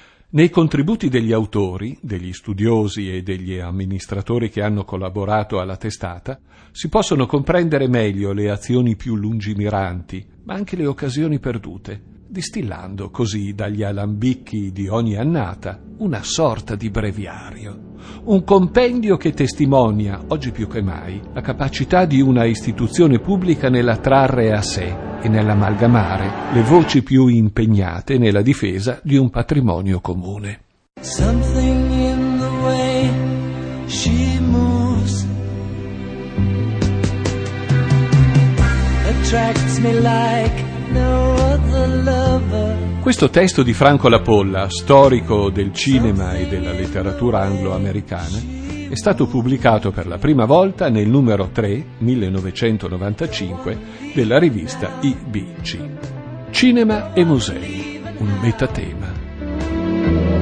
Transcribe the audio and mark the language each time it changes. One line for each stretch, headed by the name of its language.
Italian: Nei contributi degli autori, degli studiosi e degli amministratori che hanno collaborato alla testata, si possono comprendere meglio le azioni più lungimiranti, ma anche le occasioni perdute, distillando così dagli alambicchi di ogni annata una sorta di breviario. Un compendio che testimonia, oggi più che mai, la capacità di una istituzione pubblica nell'attrarre a sé e nell'amalgamare le voci più impegnate nella difesa di un patrimonio comune.
English: Something in the way she moves attracts me like no other lover.
Italian: Questo testo di Franco La Polla, storico del cinema e della letteratura anglo-americana, è stato pubblicato per la prima volta nel numero 3, 1995, della rivista IBC. Cinema e musei, un metatema.